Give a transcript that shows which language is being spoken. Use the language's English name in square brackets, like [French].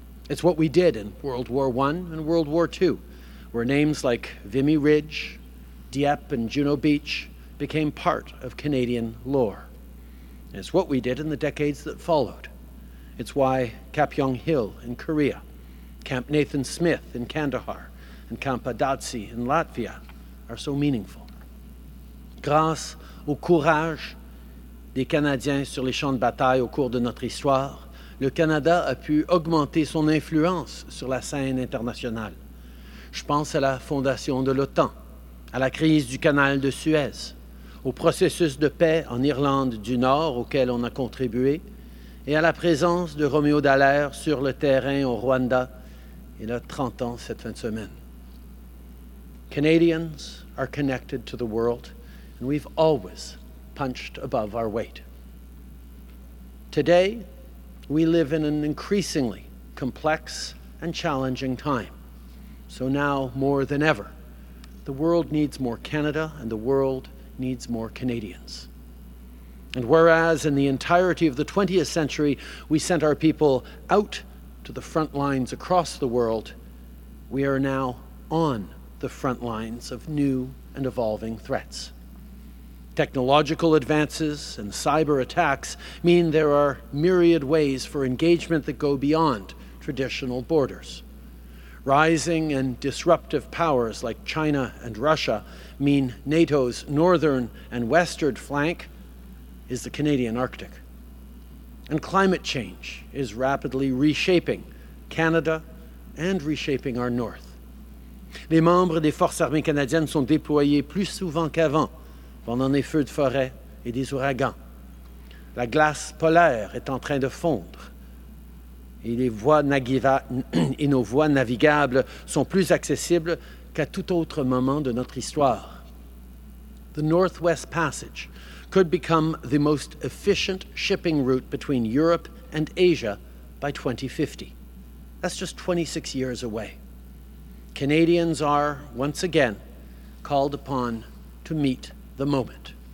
[English] It's what we did in World War I and World War II, where names like Vimy Ridge, Dieppe, and Juno Beach became part of Canadian lore. It's what we did in the decades that followed. It's why Camp Yong Hill in Korea, Camp Nathan Smith in Kandahar, and Camp Adatsi in Latvia are so meaningful. [French] Grâce au courage des Canadiens sur les champs de bataille au cours de notre histoire, le Canada a pu augmenter son influence sur la scène internationale. Je pense à la fondation de l'OTAN, à la crise du canal de Suez, au processus de paix en Irlande du Nord auquel on a contribué et à la présence de Roméo Dallaire sur le terrain au Rwanda il y a 30 ans cette fin de semaine. [English] Canadians are connected to the world and we've always punched above our weight. Today, we live in an increasingly complex and challenging time. So now, more than ever, the world needs more Canada and the world needs more Canadians. And whereas in the entirety of the 20th century, we sent our people out to the front lines across the world, we are now on the front lines of new and evolving threats. Technological advances and cyber attacks mean there are myriad ways for engagement that go beyond traditional borders. Rising and disruptive powers like China and Russia mean NATO's northern and western flank is the Canadian Arctic. And climate change is rapidly reshaping Canada and reshaping our north. [French] Les membres des Forces armées canadiennes sont déployés plus souvent qu'avant pendant les feux de forêt et des ouragans. La glace polaire est en train de fondre. Et les voies et nos voies navigables sont plus accessibles qu'à tout autre moment de notre histoire. [English] The Northwest Passage could become the most efficient shipping route between Europe and Asia by 2050. That's just 26 years away. Canadians are, once again, called upon to meet the moment.